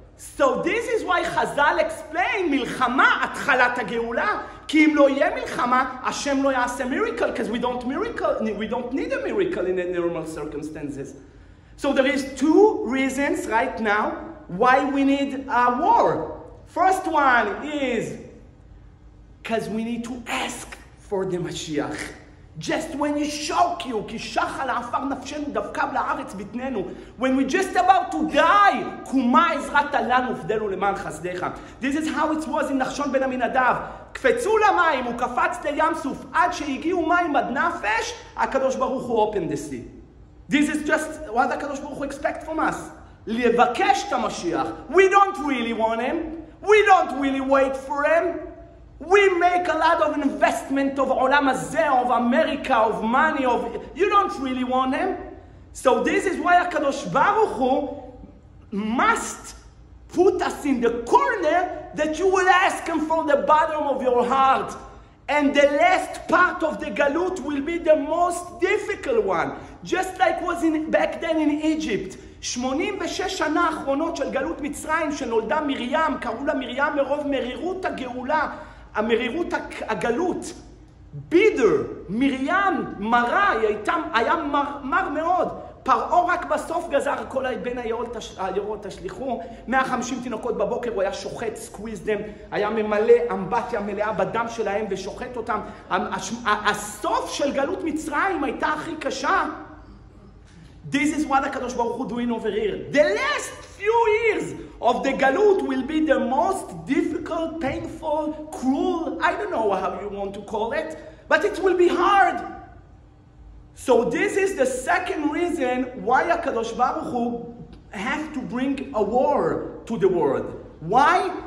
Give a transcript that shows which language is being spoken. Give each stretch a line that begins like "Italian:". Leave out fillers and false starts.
English: So this is why Chazal explained,
Hebrew: מלחמה, התחלת הגאולה, כי אם לא יהיה מלחמה, השם לא יעשה
English: miracle, because we don't need a miracle in the normal circumstances. So there is two reasons right now why we need a war. First one is because we need to ask for the Mashiach. Just when you shock you,
Hebrew: כי שחל האפר נפשנו דווקא לארץ בתננו.
English: When we're just about to die,
Hebrew: קומה עזרת עלינו ובדלו למען חסדך.
English: This is how it was in נחשון בן עמינדב.
Hebrew: קפצו למים, הוא קפץ לים סוף, עד שהגיעו מים עד נפש, הקדוש ברוך הוא
English: opened the sea. This is just what HaKadosh Baruch Hu expects from us.
Hebrew: לבקש את המשיח.
English: We don't really want him. We don't really wait for him. We make a lot of investment of עולם הזה, of America, of money, of... You don't really want him. So this is why HaKadosh Baruch Hu must put us in the corner that you will ask him from the bottom of your heart. And the last part of the galut will be the most difficult one. Just like was in back then in Egypt.
Hebrew: 86 שנה אחרונות של גלות מצרים שנולדה מרים, קראו לה מרים מרוב מרירות הגאולה, המרירות הגלות. בידר, מרים, מרה, היה מר מאוד. פרעו רק בסוף גזר כל בין היורות השליחו. 150 תינוקות בבוקר הוא היה שוחט, סקוויז דם, היה ממלא אמבטיה מלאה בדם שלהם ושוחט אותם. הסוף של גלות מצרים הייתה הכי קשה.
English: This is what HaKadosh Baruch Hu doing over here. The last few years of the Galut will be the most difficult, painful, cruel, I don't know how you want to call it, but it will be hard. So this is the second reason why HaKadosh Baruch Hu have to bring a war to the world. Why?